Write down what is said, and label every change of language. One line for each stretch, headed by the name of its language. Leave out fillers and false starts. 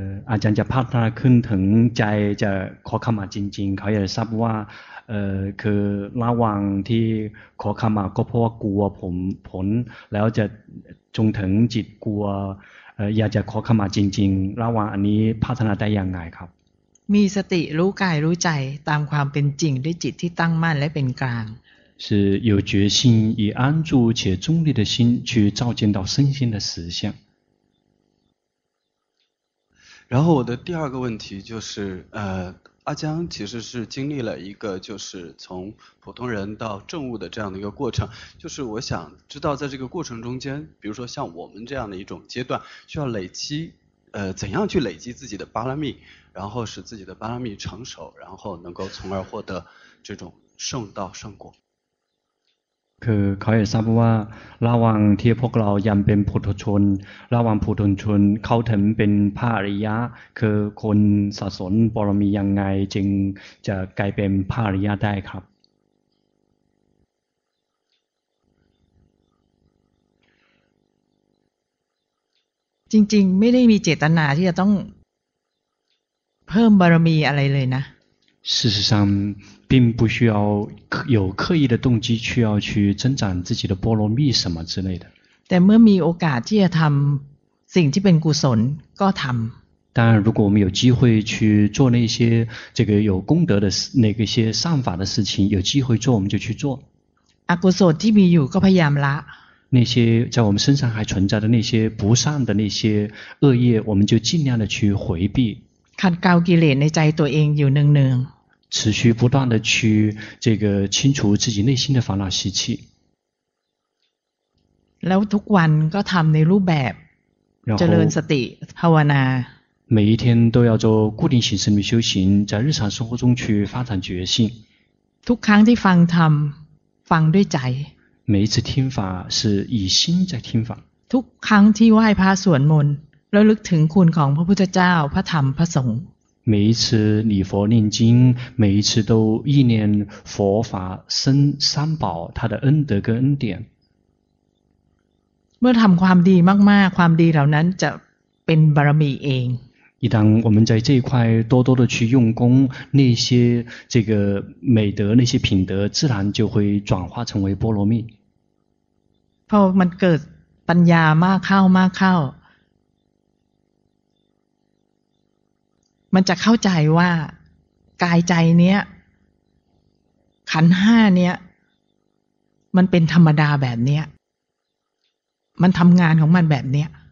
Thai: อาจารย์จะพัฒนาขึ้นถึงใจจะขอขมาจริงๆเขาอยากทราบว่าคือระวังที่ขอขมาก็เพราะว่ากลัวผลแล้วจะจงถึงจิตกลัวอยากจะขอขมาจริงๆระหว่างอันนี้พัฒนาได้อย่างไรครับ มีสติรู้กายรู้ใจตามความเป็นจริงด้วยจิตที่ตั้งมั่นและเป็นกลาง
Chinese: 是有决心以安住且中立的心去照见到身心的实相然后我的第二个问题就是阿江其实是经历了一个就是从普通人到正悟的这样的一个过程就是我想知道在这个过程中间比如说像我们这样的一种阶段需要累积怎样去累积自己的巴拉蜜然后使自己的巴拉蜜成熟然后能够从而获得这种圣道圣果
Thai: คือเขาอยากทราบว่าระหว่างที่พวกเรายังเป็นปุถุชนระหว่างปุถุชนเข้าถึงเป็นพระอริยะคือคนสะสมบารมียังไงจึงจะกลายเป็นพระอริยะได้ครับ จริงๆไม่ได้มีเจตนาที่จะต้องเพิ่มบารมีอะไรเลยนะ
Chinese: 事实上并不需要有刻意的动机去要去增长自己的波罗蜜什么之类的
Thai: แต่เมื่อมีโอกาสที่จะทำสิ่งที่เป็นกุศลก็ทำ
Chinese: 当然如果我们有机会去做那些这个有功德的那个些善法的事情有机会做我们就去做
Thai: อกุศลที่มีอยู่ก็พยายามละ
Chinese: 那些在我们身上还存在的那些不善的那些恶业我们就尽量的去回避
Thai: ขัดเกลากิเลสในใจตัวเองอยู่เนือง
Chinese: ๆ持续不断的去这个清除自己内心的烦恼习气
Thai: แล้วทุกวันก็ทำในรูปแบบเจริญสติภาวนา
Chinese: 每一天都要做固定形式的修行在日常生活中去发展觉性
Thai: ทุกครั้งที่ฟังธรรมฟังด้วยใจ
Chinese: 每一次听法是以心在听法
Thai: ทุกครั้งที่ไหว้พระสวดมนต์แล้วลึกถึงคุณของพระพุทธเจ้าพระธรรมพระสงฆ์
Chinese: 每一次礼佛念经每一次都意念佛法僧三宝他的恩德跟恩典
Thai: เมื่อทำความดีมากๆความดีเหล่านั้นจะเป็นบารมีเอง
Chinese: 一旦我们在这一块多多的去用功那些这个美德那些品德自然就会转化成为波罗蜜
Thai: พอมันเกิดปัญญามากเข้ามากเข้ามันจะเข้าใจว่ากายใจเนี้ยขันห้าเนี้ยมันเป็นธรรมดาแบบเนี้ยมันทำงานของมันแบบเนี้ย